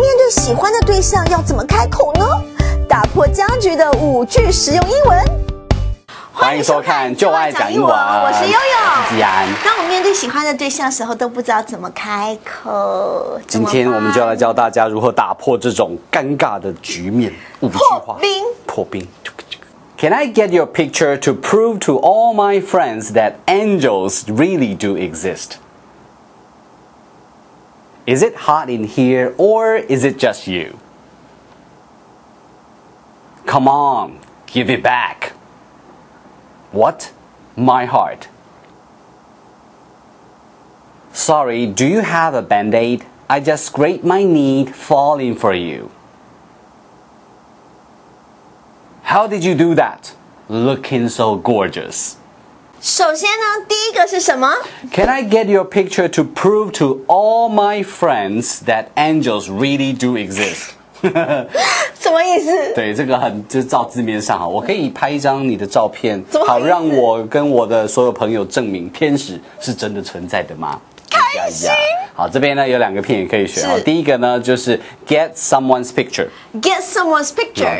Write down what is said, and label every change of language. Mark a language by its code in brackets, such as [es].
[zh] 喜欢的对象要怎么开口呢？打破僵局的五句实用英文，欢迎收看就爱讲英文，我是悠悠，吉安。当我面对喜欢的对象的时候都不知道怎么开口，今天我们就要来教大家如何打破这种尴尬的局面。五句话破冰，破冰。 [en] Can I get your picture to prove to all my friends that angels really do exist? Is it hot in here, or is it just you? Come on, give it back. What? My heart. Sorry, do you have a band-aid? I just scraped my knee falling for you. How did you do that? Looking so gorgeous. [zh] 首先呢，第一个是什么？ [en] Can I get your picture to prove to all my friends that angels really do exist? [zh] 什么意思？对，这个很，就照字面上，我可以拍一张你的照片，怎么好让我跟我的所有朋友证明天使是真的存在的吗？开心。哎呀呀，好，这边呢有两个片也可以选。第一个呢就是 get someone's picture， [en] get someone's picture，